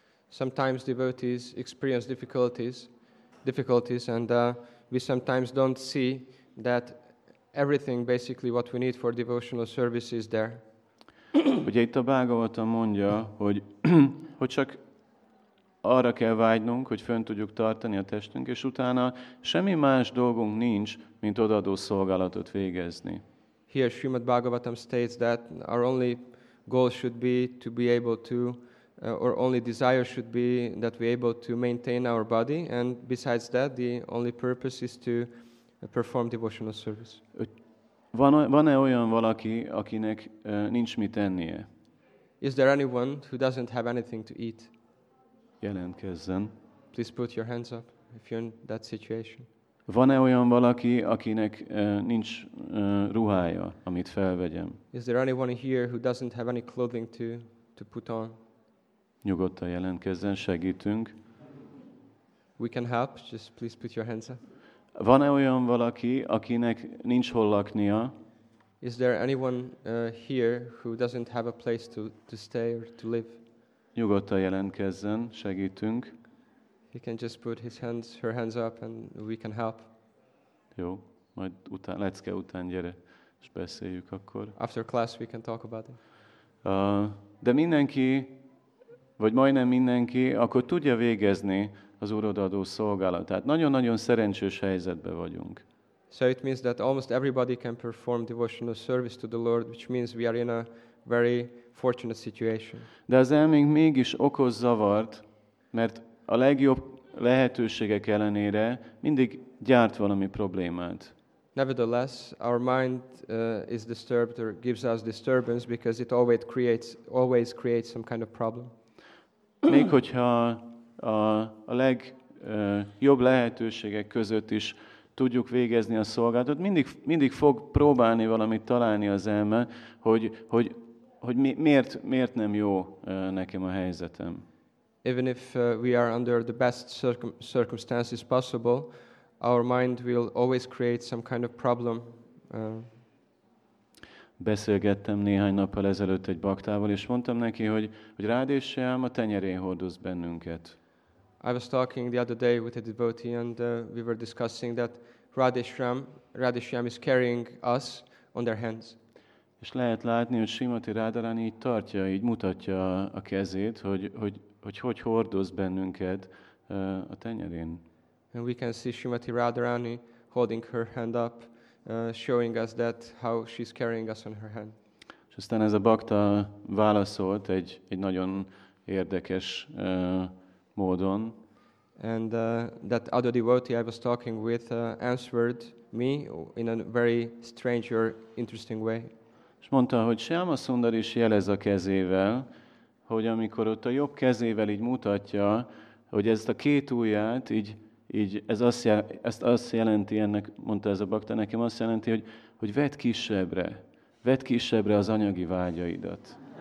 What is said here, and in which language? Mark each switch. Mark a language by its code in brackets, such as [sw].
[en] Sometimes devotees experience difficulties, and we sometimes don't see that everything, basically what we need for devotional service is there. [hu] Ugye itt a Bhágavatam mondja, hogy hogy csak arra kell vágynunk, hogy fönn tudjuk tartani a testünk, és utána semmi más dolgunk nincs, mint odaadó szolgálatot végezni. [en] Here Srimad Bhagavatam states that our only goal should be to be able to, or only desire should be that we able to maintain our body, and besides that, the only purpose is to perform devotional service. [hu] Van-e olyan valaki, akinek nincs mit ennie? [en] Is there anyone who doesn't have anything to eat? [hu] Jelentkezzen. [en] Please put your hands up if you're in that situation. [hu] Van-e olyan valaki, akinek nincs ruhája, amit felvegyem? [en] Is there anyone here who doesn't have any clothing to put on? [hu] Nyugodtan jelentkezzen, segítünk. [en] We can help, just please put your hands up. [hu] Van-e olyan valaki, akinek nincs hol laknia? [en] Is there anyone here who doesn't have a place to stay or to live? [hu] Nyugodtan jelentkezzen, segítünk. [en] He can just put her hands up and we can help. [hu] Jó, majd után, lecke után gyere, és beszéljük akkor. [en] After class we can talk about it. [hu] De mindenki, vagy majdnem mindenki, akkor tudja végezni az úrodadó szolgálat. Tehát nagyon-nagyon szerencsés helyzetben vagyunk. [en] So it means that almost everybody can perform devotional service to the Lord, which means we are in a very fortunate situation. [hu] De az elménk mégis okoz zavart, mert a legjobb lehetőségek ellenére mindig gyárt valami problémát. [en] Nevertheless, our mind is disturbed or gives us disturbance because it always creates some kind of problem. [hu] Még hogyha a legjobb lehetőségek között is tudjuk végezni a szolgálatot, mindig fog próbálni valamit találni az elme, hogy miért nem jó nekem a helyzetem. [en] Even if we are under the best circumstances possible, our mind will always create some kind of problem. [hu] Beszélgettem néhány nappal ezelőtt egy baktával, és mondtam neki, hogy Rádésiám a tenyerén hordoz bennünket. [en] I was talking the other day with a devotee and we were discussing that Rádésiám is carrying us on their hands. [hu] És lehet látni, hogy Srimati Rádarani így tartja, így mutatja a kezét, hogy hordoz bennünket a tenyerén. [en] And we can see Srimati Radharani holding her hand up, showing us that how she's carrying us on her hand. [hu] És aztán ez a bakta válaszolt egy nagyon érdekes módon. [en] And that other devotee I was talking with answered me in a very strange or interesting way. [hu] És mondta, hogy Shyama Sundar is jelez a kezével, hogy amikor ott a jobb kezével így mutatja, hogy ezt a két ujját, így ez azt jelenti ennek, mondta ez a bakta nekem, azt jelenti, hogy vedd kisebbre az anyagi vágyaidat.